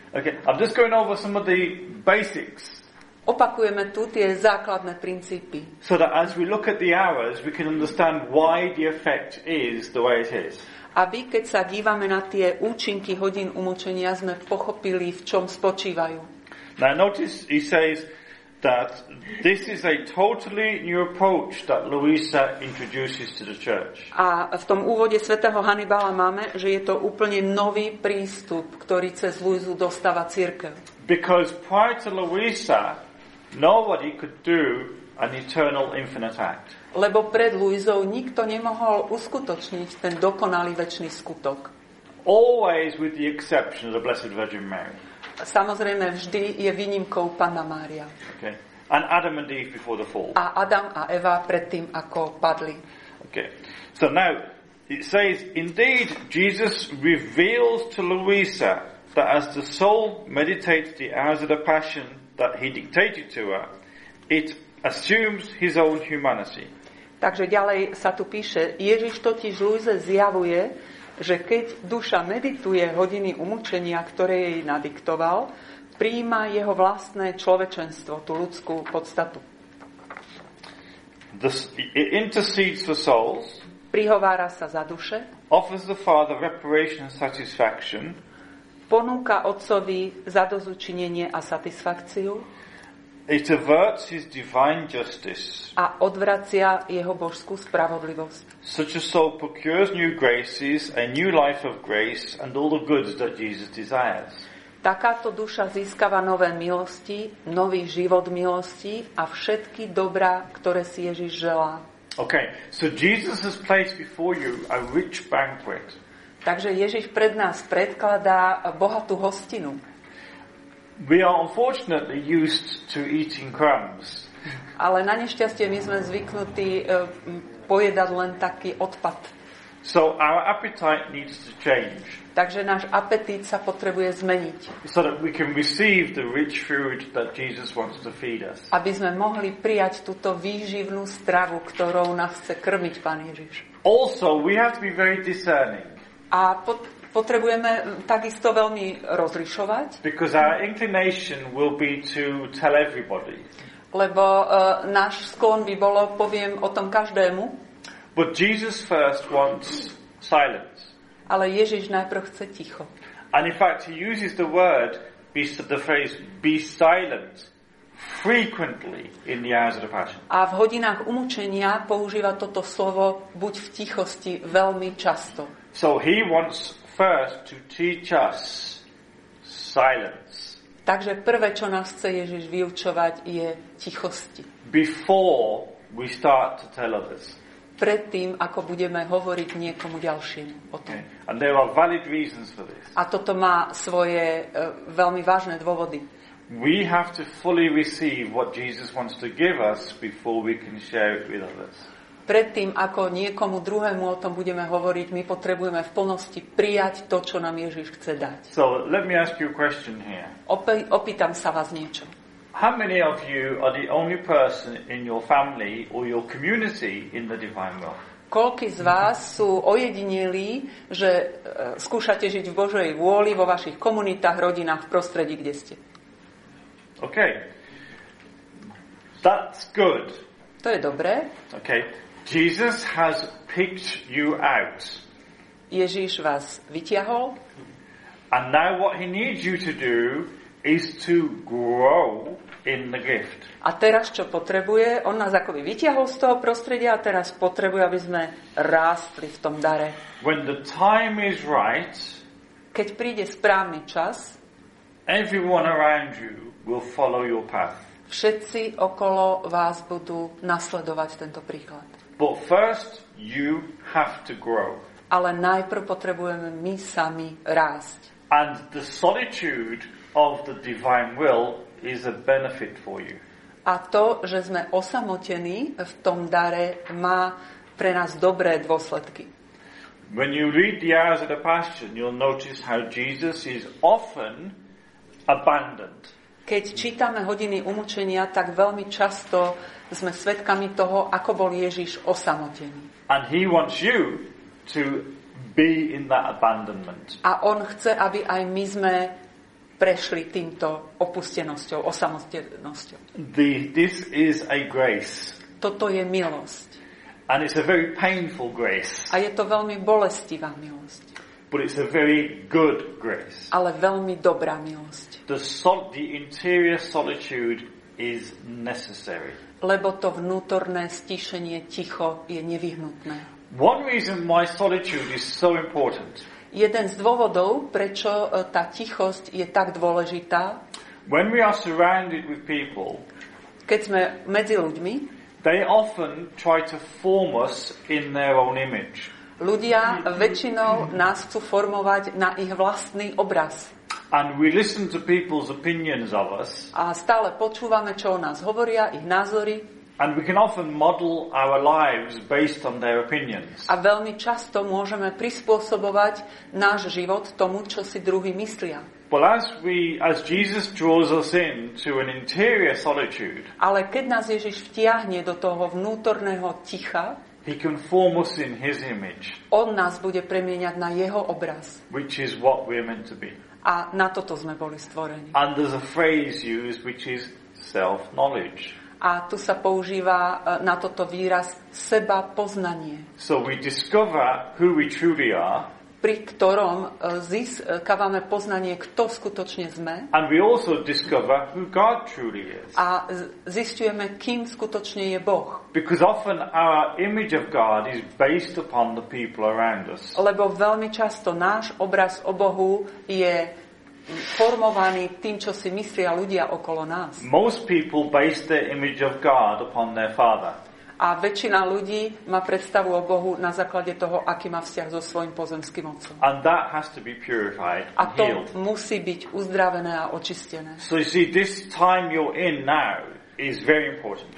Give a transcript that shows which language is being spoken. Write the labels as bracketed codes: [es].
[en] Okay, I'm just going over some of the basics. [sk] Opakujeme tu tie základné princípy. [en] So that as we look at the hours, we can understand why the effect is the way it is. [sk] Aby keď sa dívame na tie účinky hodín umučenia, sme pochopili, v čom spočívajú. [en] Now notice he says that this is a totally new approach that Luisa introduces to the church. [sk] A v tom úvode svätého Hannibala máme, že je to úplne nový prístup, ktorý cez Luisu dostáva cirkev. [en] Because prior to Luisa, nobody could do an eternal infinite act. [sk] Lebo pred Luisou nikto nemohol uskutočniť ten dokonalý večný skutok. [en] Always with the exception of the Blessed Virgin Mary. [sk] Samozrejme, vždy je výnimkou Panna Mária. [en] Okay. And Adam and Eve before the fall. [sk] A Adam a Eva predtým, ako padli. [en] Okay. So now, it says, indeed, Jesus reveals to Luisa that as the soul meditates the hours of the passion that he dictated to her, it assumes his own humanity. [sk] Takže ďalej sa tu píše, Ježiš totiž Luise zjavuje, že keď duša medituje hodiny umučenia, ktoré jej nadiktoval, prijíma jeho vlastné človečenstvo, tú ľudskú podstatu. [en] It intercedes for souls, [sk] prihovára sa za duše, [en] offers the Father reparation and satisfaction, [sk] ponúka otcovi zadozučinenie a satisfakciu, [en] it averts his divine justice, [sk] a odvracia jeho božskú spravodlivosť. [en] Such a soul procures new graces, a new life of grace and all the goods that Jesus desires. [sk] Takáto duša získava nové milosti, nový život milosti a všetky dobrá, ktoré si Ježiš želá. [en] Okay, so Jesus has placed before you a rich banquet. [sk] Takže Ježiš pred nás predkladá bohatú hostinu. [en] We are unfortunately used to eating crumbs. [sk] Ale na nešťastie my sme zvyknutí pojedať len taký odpad. [en] So our appetite needs to change. [sk] Takže náš apetít sa potrebuje zmeniť. [en] So that we can receive the rich food that Jesus wants to feed us. [sk] Aby sme mohli prijať túto výživnú stravu, ktorou nás chce krmiť Pán Ježiš. [en] Also, we have to be very discerning. [sk] A potrebujeme takisto veľmi rozlišovať. [en] Because our inclination will be to tell everybody. [sk] Lebo náš sklon by bolo, poviem o tom každému. [en] But Jesus first wants silence. [sk] Ale Ježiš najprv chce ticho. [en] And in fact he uses the phrase be silent frequently in the hours of the passion. [sk] A v hodinách umučenia používa toto slovo buď v tichosti veľmi často. [en] So he wants first to teach us silence. [sk] Takže prvé, čo nás chce Ježiš vyučovať, je tichosti. [en] Before we start to tell others. [sk] Predtým, ako budeme hovoriť niekomu ďalšiemu o tom. [en] Okay. And there are valid reasons for this. [sk] A toto má svoje veľmi vážne dôvody. [en] We have to fully receive what Jesus wants to give us before we can share it with others. [sk] Predtým, ako niekomu druhému o tom budeme hovoriť, my potrebujeme v plnosti prijať to, čo nám Ježiš chce dať. [en] So, let me ask you a question here. [sk] Opýtam sa vás niečo. [en] How many of you are the only person in your family or your community in the divine will? [sk] Koľký z vás sú ojedinelí, že skúšate žiť v Božej vôli vo vašich komunitách, rodinách, v prostredí, kde ste? [en] Okay. That's good. [sk] To je dobré. [en] Okay. Jesus has picked you out. [sk] Ježiš vás vytiahol. [en] And now what he needs you to do is to grow in the gift. [sk] A teraz čo potrebuje? On nás akoby vytiahol z toho prostredia a teraz potrebuje, aby sme rástli v tom dare. [en] When the time is right, [sk] keď príde správny čas, [en] everyone around you will follow your path. [sk] Všetci okolo vás budú nasledovať tento príklad. [en] But first you have to grow. [sk] Ale najprv potrebujeme my sami rásť. [en] And the solitude of the divine will is a benefit for you. [sk] A to, že sme osamotení v tom dare, má pre nás dobré dôsledky. [en] When you read the hours of the passion, you'll notice how Jesus is often abandoned. [sk] Keď čítame hodiny umučenia, tak veľmi často sme svedkami toho, ako bol Ježiš osamotený. [en] And he wants you to be in that abandonment. [sk] A on chce, aby aj my sme prešli týmto opustenosťou, osamotenosťou. [en] This is a grace. [sk] Toto je milosť. [en] And it's a very painful grace. [sk] A je to veľmi bolestivá milosť. [en] But it's a very good grace. [sk] Ale veľmi dobrá milosť. [en] The interior solitude is necessary. [sk] Lebo to vnútorné stíšenie, ticho je nevyhnutné. [en] One reason why solitude is so important. [sk] Jeden z dôvodov, prečo tá tichosť je tak dôležitá. [en] When we are surrounded with people, [sk] keď sme medzi ľuďmi, [en] they often try to form us in their own image. [sk] Ľudia väčšinou nás chcú formovať na ich vlastný obraz. [en] And we listen to people's opinions of us. [sk] A stále počúvame, čo o nás hovoria, ich názory. [en] And we can often model our lives based on their opinions. [sk] A veľmi často môžeme prispôsobovať náš život tomu, čo si druhí myslia. [en] But as Jesus draws us in to an interior solitude. [sk] Ale keď nás Ježiš vtiahne do toho vnútorného ticha, [en] he can form us in his image. [sk] On nás bude premieňať na jeho obraz. [en] Which is what we are meant to be. [sk] A na toto sme boli stvorení. [en] And there's a phrase used which is self-knowledge. [sk] A tu sa používa na toto výraz seba poznanie. [en] So we discover who we truly are. [sk] Pri ktorom získavame poznanie, kto skutočne sme. [en] And we also discover who God truly is. [sk] A zisťujeme, kým skutočne je Boh. [en] Because often our image of God is based upon the people around us. [sk] Lebo veľmi často náš obraz o Bohu je formovaný tým, čo si myslia ľudia okolo nás. [en] Most people base their image of God upon their father. [sk] A väčšina ľudí má predstavu o Bohu na základe toho, aký má vzťah so svojím pozemským otcom. [en] And that has to be purified and healed. [sk] A to musí byť uzdravené a očistené. [en] So you see, this time you're in now is very important.